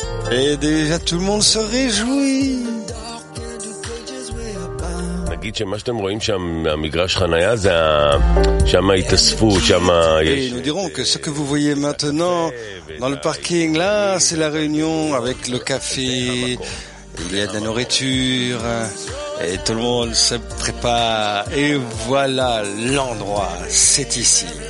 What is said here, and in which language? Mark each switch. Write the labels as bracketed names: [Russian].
[French] Et déjà tout le monde se réjouit. [Hebrew] נגיד שמה שאתם רואים שם מהמגרש חנייה זה שם התאספו שם [French] יש nous dirons que ce que vous voyez maintenant dans le parking là c'est la réunion avec le café, il y a de la nourriture et tout le monde se prépare et voilà l'endroit, c'est ici.